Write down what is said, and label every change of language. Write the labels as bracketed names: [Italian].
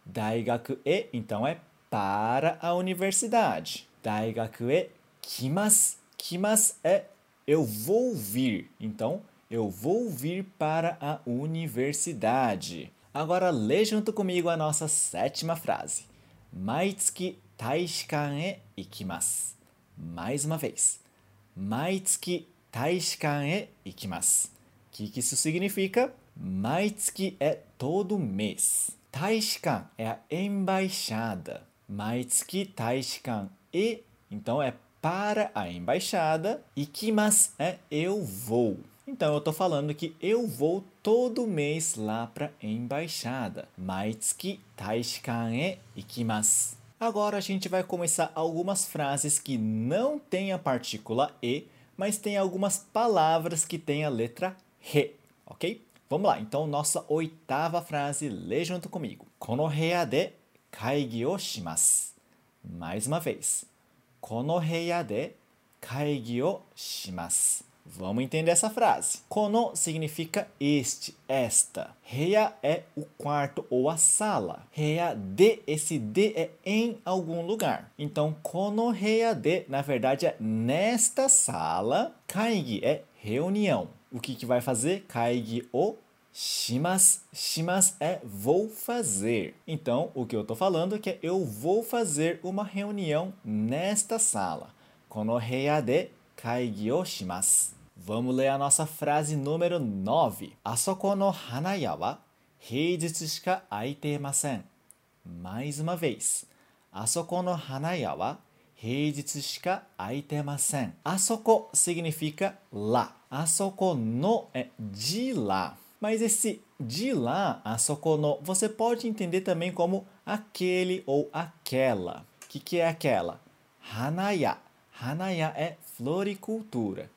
[Portuguese] 大学へ então é para a universidade. [Japanese] 大学へ来ます。 [Portuguese] 来ます é eu vou vir. Então, eu vou vir para a universidade. Agora, lê junto comigo a nossa sétima frase. [Japanese] 毎月大使館へ行きます。 [Portuguese] Mais uma vez. [Japanese] 毎月大使館へ行きます。 [Portuguese] O que isso significa? 毎月 é todo mês. 大使館 é a embaixada. 毎月大使館へ então é para a embaixada. 行きます é eu vou. Então, eu estou falando que eu vou todo mês lá para a embaixada. [Japanese] 毎月大使館へ行きます。 [Portuguese] Agora, a gente vai começar algumas frases que não têm a partícula E, mas têm algumas palavras que têm a letra RE, ok? Vamos lá, então, nossa oitava frase, lê junto comigo. [Japanese] この部屋で会議をします。 [Portuguese] Mais uma vez. [Japanese] この部屋で会議をします。 [Portuguese] Vamos entender essa frase. Kono significa este, esta. Heia é o quarto ou a sala. Heia de, esse de é em algum lugar. Então, [Japanese] kono heia de, [Portuguese] na verdade, é nesta sala. Kaigi é reunião. O que que vai fazer? [Japanese] Kaigi o shimasu. [Portuguese] Shimasu é vou fazer. Então, o que eu estou falando é que eu vou fazer uma reunião nesta sala. [Japanese] Kono heia de kaigi o shimasu. [Portuguese] Vamos ler a nossa frase número 9. [Japanese] あそこの花屋は平日しか開いていません。 [Portuguese] Mais uma vez. [Japanese] あそこの花屋は平日しか開いていません。 [Portuguese] あそこ significa lá. あそこの é de lá. Mas esse de lá, あそこの, você pode entender também como aquele ou aquela. Que é aquela? 花屋.Hanaya é floricultura.